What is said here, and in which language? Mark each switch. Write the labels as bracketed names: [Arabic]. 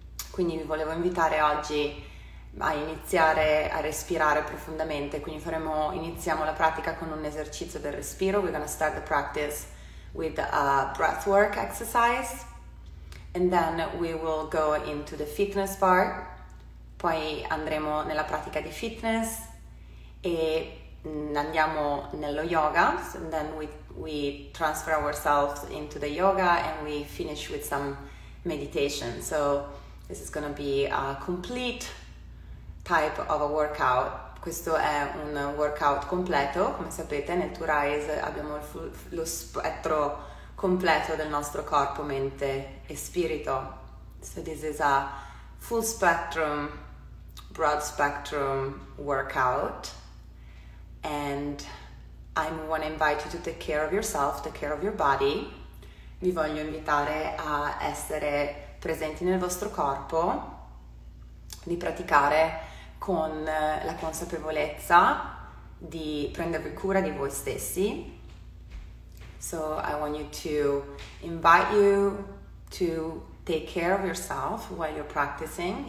[Italian] Quindi vi volevo invitare oggi a iniziare a respirare profondamente. Quindi iniziamo la pratica con un esercizio del respiro. [English] We're gonna start the practice with a breathwork exercise and then we will go into the fitness part. [Italian] Poi andremo nella pratica di fitness e andiamo nello yoga [English] and then we transfer ourselves into the yoga and we finish with some meditation. So this is going to be a complete type of a workout. [Italian] Questo è un workout completo, come sapete, nel Turaise abbiamo lo spettro completo del nostro corpo, mente e spirito. [English] So this is a full spectrum, broad spectrum workout and I want to invite you to take care of yourself, take care of your body. [Italian] Vi voglio invitare a essere presenti nel vostro corpo, di praticare con la consapevolezza di prendervi cura di voi stessi. [English] So I want you to invite you to take care of yourself while you're practicing.